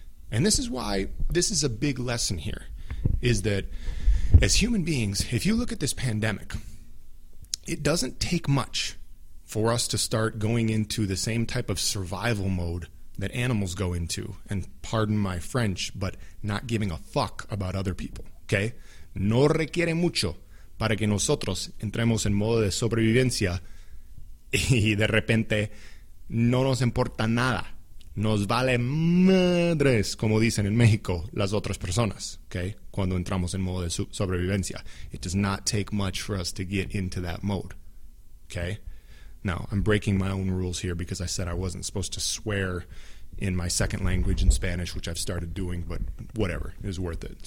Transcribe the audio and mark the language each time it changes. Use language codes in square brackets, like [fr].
[en] And this is why this is a big lesson here, is that as human beings, if you look at this pandemic, it doesn't take much for us to start going into the same type of survival mode that animals go into, and pardon my French, but not giving a fuck about other people, okay? [es] No requiere mucho para que nosotros entremos en modo de sobrevivencia y de repente no nos importa nada. Nos vale madres, como dicen en México, las otras personas, okay? Cuando entramos en modo de sobrevivencia. [en] It does not take much for us to get into that mode, okay? Now, I'm breaking my own rules here because I said I wasn't supposed to swear in my second language in Spanish, which I've started doing, but whatever, it was worth it.